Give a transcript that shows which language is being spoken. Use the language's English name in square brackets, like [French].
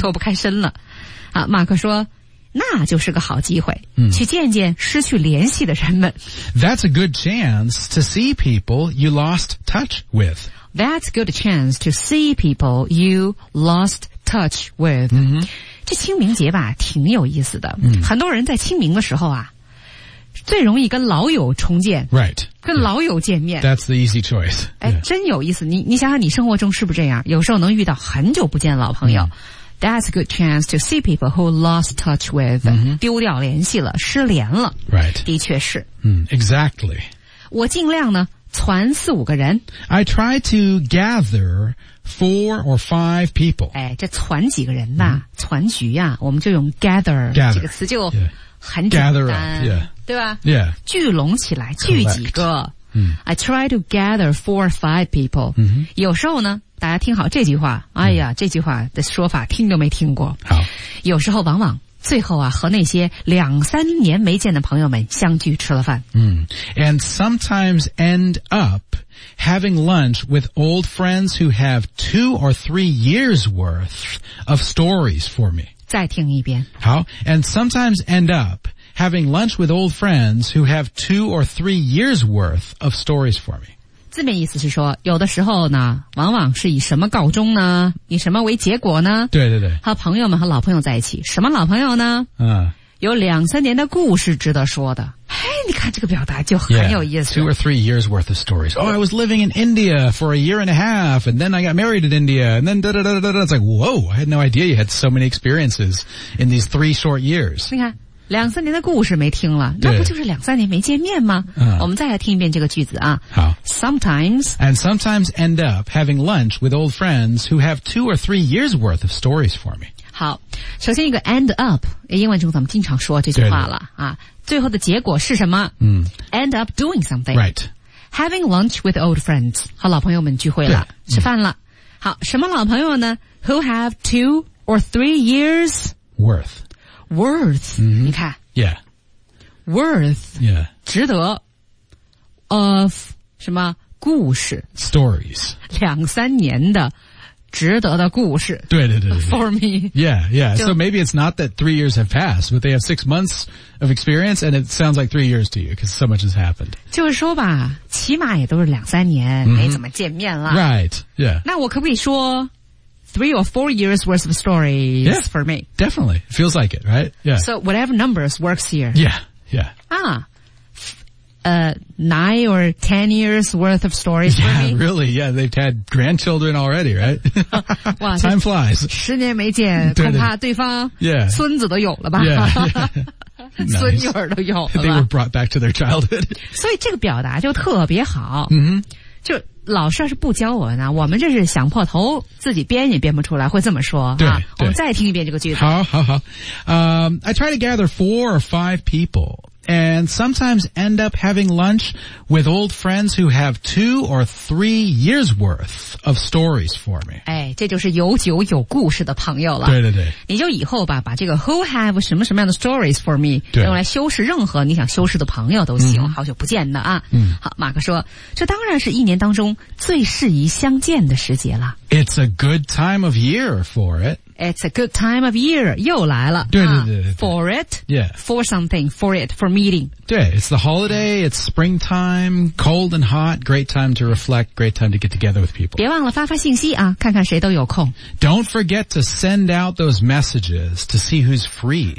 [Chinese] 脱不开身了好马克说那就是个好机会、 mm. 去见见失去联系的人们 [English] That's a good chance to see people you lost touch with That's a good chance to see people you lost touch with、 mm-hmm. [Chinese] 这清明节吧挺有意思的、 mm. 很多人在清明的时候啊最容易跟老友重见 [English] Right [Chinese] 跟老友见面、 [English] yeah. That's the easy choice、 yeah. [Chinese] 哎，真有意思 你想想你生活中是不是这样有时候能遇到很久不见的老朋友、mm. [English] That's a good chance to see people who lost touch with,、 mm-hmm. [Chinese] 丢掉联系了,失联了。 [English] Right. [Chinese] 的确是。 [English] 嗯、mm, ,exactly. [Chinese] 我尽量呢,攒四五个人。 [English] I try to gather four or five people. [Chinese] 哎,这攒几个人吧,攒、mm-hmm. 局呀、啊、我们就用 gather, [English] gather. [Chinese] 这个词就很简单。 [English] Gather up, yeah. [Chinese] 对吧 [English] ?Yeah. [Chinese] 聚拢起来聚几个。 Mm-hmm. [English] I try to gather four or five people.、 Mm-hmm. [Chinese] 有时候呢大家听好这句话哎呀、嗯、这句话的说法听都没听过好有时候往往最后啊和那些两三年没见的朋友们相聚吃了饭 [English] 嗯 And sometimes end up having lunch with old friends who have two or three years worth of stories for me [Chinese] 再听一遍 [English] 好 And sometimes end up having lunch with old friends who have two or three years worth of stories for me [Chinese] 字面意思是说有的时候呢往往是以什么告终呢以什么为结果呢对对对和朋友们和老朋友在一起什么老朋友呢、有两三年的故事值得说的嘿你看这个表达就很有意思 [English] Two or three years worth of stories Oh I was living in India for a year and a half And then I got married in India And then da da da da da It's like whoa I had no idea you had so many experiences In these three short years [Chinese] 你看两三年的故事没听了那不就是两三年没见面吗、我们再来听一遍这个句子啊好 [English] Sometimes And sometimes end up having lunch with old friends Who have two or three years worth of stories for me [Chinese] 好首先一个 end up 英文中咱们经常说这句话了啊，最后的结果是什么、 [English] End up doing something Right Having lunch with old friends [Chinese] 和老朋友们聚会了吃饭了、好什么老朋友呢 [English] Who have two or three years Worth worth、 mm-hmm. [Chinese] 你看 [English] yeah worth yeah [Chinese] 值得 of 什么故事 [English] stories [Chinese] 两三年的值得的故事对对 对 [English] for me yeah yeah so maybe it's not that 3 years have passed but they have 6 months of experience and it sounds like 3 years to you because so much has happened [Chinese] 就是说吧起码也都是两三年、 mm-hmm. 没怎么见面了 [English] right yeah [Chinese] 那我可不可以说 [English] Three or four years worth of stories yeah, for me. Definitely. Feels like it, right? Yeah. So whatever numbers works here. Yeah, yeah. Ah. 9 or 10 years worth of stories yeah, for me. Yeah, really. Yeah, they've had grandchildren already, right? Wow, time flies. [Chinese] 10年没见, 恐怕对方 [English] yeah. [Chinese] 孙子都有了吧? [English] Yeah, yeah. [Chinese] 孙女儿都有了吧? [English] They were brought back to their childhood. [Chinese] 所以这个表达就特别好。就老师要是不教我呢, 我们这是想破头,自己编也编不出来, 会这么说, 对, 啊, 我们再听一遍这个句子。好, 好, 好。 [English] I try to gather 4 or 5 people, and sometimes end up having lunch with old friends who have 2 or 3 years worth of stories for me. [Chinese] 哎, 这就是有酒有故事的朋友了。对对对。你就以后吧, 把这个 [English] who have [Chinese] 什么什么样的 stories for me, 对, 用来修饰任何你想修饰的朋友都行, 好久不见的啊。好, 马克说, 这当然是一年当中最适宜相见的时节了。 [English] It's a good time of year for it. It's a good time of year. [Chinese] 又来了。对对对对。 [English] For it. Yeah. For something. For it. For meeting. 对, it's the holiday. It's springtime. Cold and hot. Great time to reflect. Great time to get together with people. [Chinese] 别忘了发发信息啊, 看看谁都有空。 [English] Don't forget to send out those messages to see who's free.